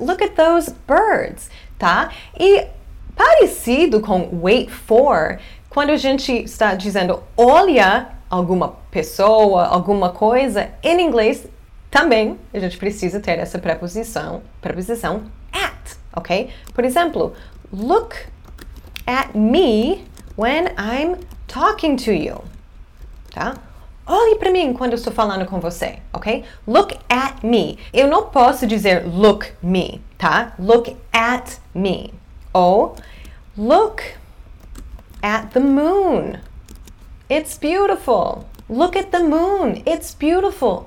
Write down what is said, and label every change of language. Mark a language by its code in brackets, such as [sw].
[en] Look at those birds. Tá? [pt] E parecido com wait for, quando a gente está dizendo olha alguma pessoa, alguma coisa, em inglês também a gente precisa ter essa preposição at, ok? Por exemplo, [en] look at me when I'm talking to you, tá? [pt] Olhe para mim quando eu estou falando com você, ok? [en] Look at me. [pt] Eu não posso dizer [en] look me, [pt] tá? [en] Look at me. Ou look at the moon. It's beautiful. Look at the moon. It's beautiful.